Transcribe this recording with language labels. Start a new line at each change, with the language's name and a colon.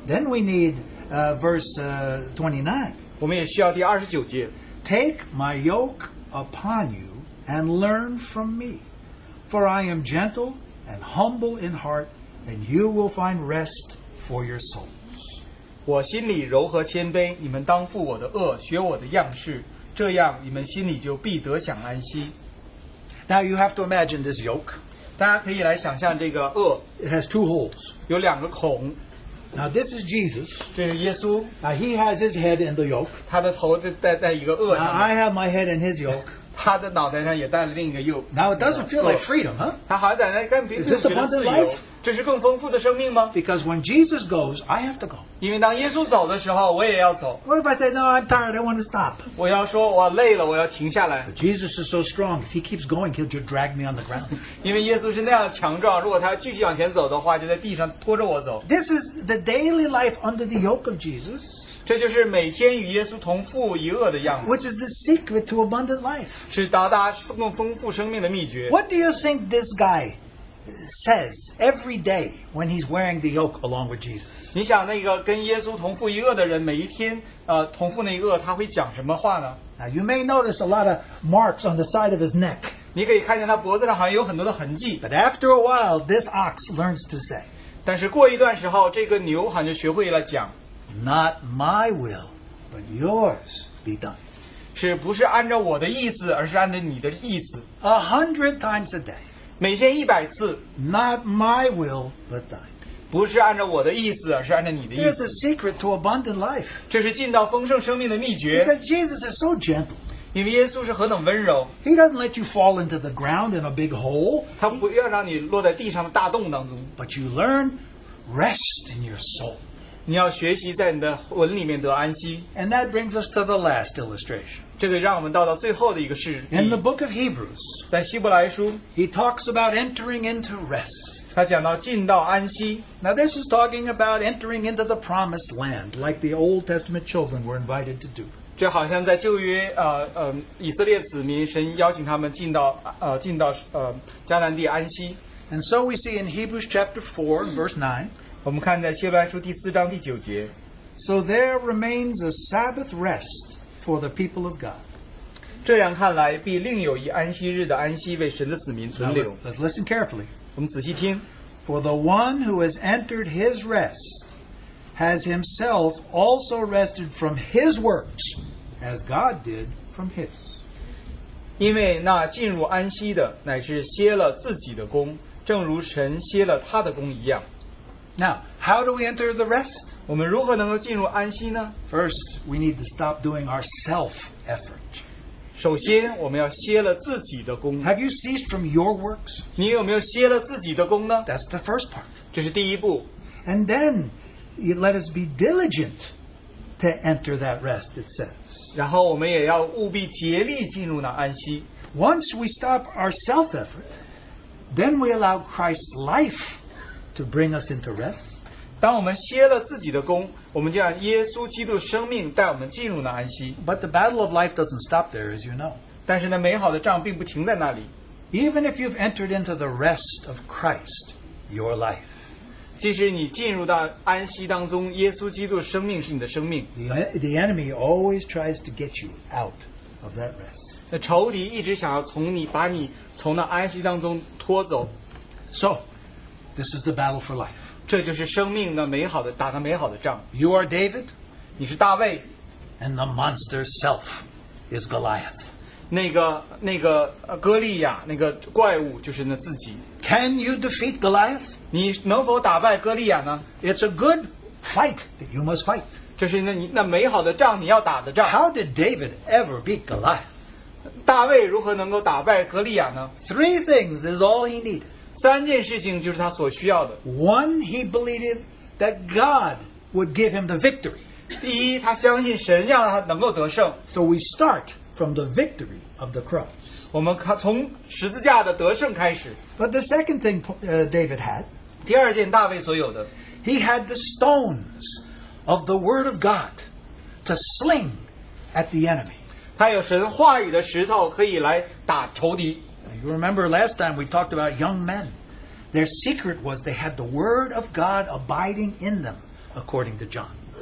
English: Then we need verse 29.
Chinese: 我们也需要第29节,
English: take my yoke upon you and learn from me. For I am gentle and humble in heart, and you will find rest for your souls.
Chinese: 我心里柔和谦卑, 你们当负我的轭, 学我的样式, 这样你们心里就必得享安息。
English: Now you have to imagine this yoke.
Chinese: 大家可以来想象这个轭。
English: It has two holes.
Chinese: 有两个孔。
English: Now this is Jesus.
Chinese: 这是耶稣。
English: Now he has his head in the yoke.
Chinese: 他的头就戴在一个轭上。
English: Now I have my head in his yoke.
Chinese: 他的脑袋上也戴了另一个轭。
English: Now it doesn't feel like freedom, huh?
Chinese: 他好像在那跟别人觉得自由。
English: Is this abundant life?
Chinese: 这是更丰富的生命吗？
English: Because when Jesus goes, I have to go.
Chinese: 因为当耶稣走的时候，我也要走。
English: What if I say, no, I'm tired, I want to stop?
Chinese: 我要说我累了，我要停下来。
English: But Jesus is so strong, if he keeps going, he'll just drag me on the ground.
Chinese: 因为耶稣是那样强壮，如果他要继续往前走的话，就在地上拖着我走。
English: This is the daily life under the yoke of Jesus.
Chinese: 这就是每天与耶稣同负一轭的样子。
English: Which is the secret to abundant life.
Chinese: 是到达更丰富生命的秘诀。
English: What do you think this guy says every day when he's wearing the yoke along with Jesus?
Chinese: 你想那个跟耶稣同负一轭的人，每一天同负那一轭，他会讲什么话呢？
English: Now you may notice a lot of marks on the side of his neck.
Chinese: 你可以看见他脖子上好像有很多的痕迹。
English: But after a while, this ox learns to say.
Chinese: 但是过一段时候，这个牛好像就学会了讲。
English: Not my will, but yours be done.
Chinese: 是不是按照我的意思，而是按照你的意思？
English: 100 times a day.
Chinese: 每天一百次。
English: Not my will, but thine.
Chinese: 不是按照我的意思，而是按照你的意思。
English: It's a secret to abundant life.
Chinese: 这是进到丰盛生命的秘诀。
English: Because Jesus is so gentle.
Chinese: 因为耶稣是何等温柔。
English: He doesn't let you fall into the ground in a big hole.
Chinese: 他不要让你落在地上的大洞当中。
English: But you learn rest in your soul.
Chinese: 你要学习在你的魂里面得安息。
English: And that brings us to the last illustration.
Chinese: 这个让我们到了最后的一个事。
English: In the book of Hebrews,
Chinese: 在希伯来书
English: ，He talks about entering into rest.
Chinese: 他讲到进到安息。
English: Now this is talking about entering into the promised land, like the Old Testament children were invited to do.
Chinese: 这好像在旧约以色列子民神邀请他们进到迦南地安息。
English: And so we see in Hebrews chapter 4, verse 9.
Chinese: 我们看在希伯来书第四章第九节。
English: So there remains a Sabbath rest. For the people of God.
Chinese: 这样看来，必另有一安息日的安息为神的子民存留。
English: Let's listen carefully.
Chinese: 我们仔细听。
English: For the one who has entered his rest has himself also rested from his works as God did from his.
Chinese: 因为那进入安息的乃是歇了自己的功，正如神歇了他的功一样。
English: Now, how do we enter the rest?
Chinese: 我们如何能够进入安息呢？
English: First, we need to stop doing our self-effort.
Chinese: 首先，我们要歇了自己的功。
English: Have you ceased from your works?
Chinese: 你有没有歇了自己的功呢？
English: That's the first part.
Chinese: 这是第一步。
English: And then, let us be diligent to enter that rest, it says.
Chinese: 然后我们也要务必竭力进入那安息。
English: Once we stop our self-effort, then we allow Christ's life. To bring us into rest.
Chinese: 当我们歇了自己的功，我们就让耶稣基督生命带我们进入了安息。
English: But the battle of life doesn't stop there, as you know.
Chinese: 但是呢，美好的仗并不停在那里。
English: Even if you've entered into the rest of Christ, your life.
Chinese: 即使你进入到安息当中，耶稣基督生命是你的生命。
English: The enemy always tries to get you out of that rest.
Chinese: 那仇敌一直想要从你把你从那安息当中拖走。
English: So. This is the battle for life.
Chinese: 这就是生命的美好的打的美好的仗。
English: You are David.
Chinese: 你是大卫。
English: And the monster self is Goliath.
Chinese: 那个哥利亚那个怪物就是那自己。
English: Can you defeat Goliath?
Chinese: 你能否打败哥利亚呢？
English: It's a good fight that you must fight.
Chinese: 这是那美好的仗你要打的仗。
English: How did David ever beat Goliath?
Chinese: 大卫如何能够打败哥利亚呢？
English: Three things is all he needed.
Chinese: 三件事情就是他所需要的。
English: One, he believed that God would give him the victory.
Chinese: 第一，他相信神让他能够得胜。
English: So we start from the victory of the cross.
Chinese: 我们从十字架的得胜开始。
English: But the second thing David had,
Chinese: 第二件大卫所有的，
English: he had the stones of the word of God to sling at the enemy.
Chinese: 他有神话语的石头可以来打仇敌。
English: You remember last time we talked about young men. Their secret was they had the word of God abiding in them, according to John.